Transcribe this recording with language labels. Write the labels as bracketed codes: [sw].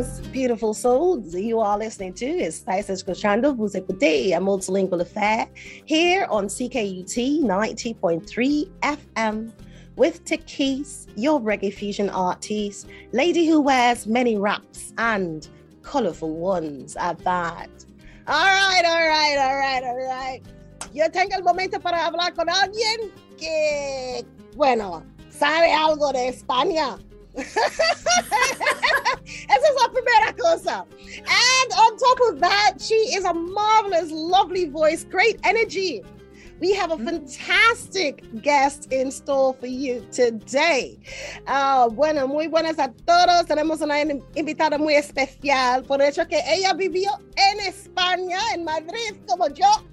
[en] Beautiful souls, you are listening to is Spice Escuchando, Vous Écoutez, A Multilingual Affair, here on CKUT 90.3 FM with Takis, your reggae fusion artist, lady who wears many wraps and colorful ones at that. All right. [es] Yo tengo el momento para hablar con alguien que, bueno, sabe algo de España. Esa es la primera cosa. [en] And on top of that, she is a marvelous, lovely voice, great energy. We have a fantastic guest in store for you today. [es] Bueno, muy buenas a todos. Tenemos una invitada muy especial. Por hecho que ella vivió en España, en Madrid, como yo.